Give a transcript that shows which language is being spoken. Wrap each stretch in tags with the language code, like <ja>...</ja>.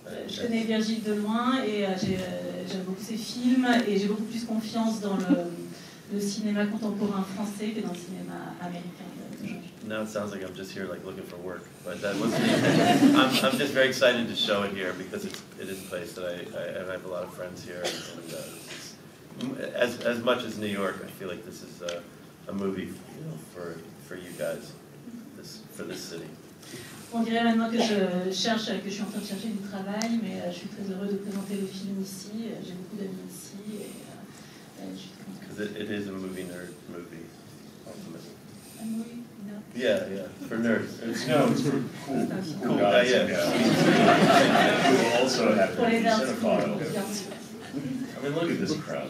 <fr>Je connais Virgil de loin et j'aime beaucoup ses films et j'ai beaucoup plus confiance dans le cinéma contemporain français que dans le cinéma américain.</fr> <en>Now it sounds like I'm just here like looking for work, but that wasn't even, I'm just very excited to show it here because it is a place that I have a lot of friends here, and as much as New York, I feel like this is a movie, you know, for you guys, for this city.</en> <fr>On dirait maintenant que je suis en train de chercher du travail, mais je suis très heureux de présenter le film ici. J'ai beaucoup d'amis ici,</fr> <en>because it is a movie nerd movie, ultimately. A movie. Yeah, for nerds. It's cool guys. Who also have to be cinephiles. I mean, look at this crowd.</en>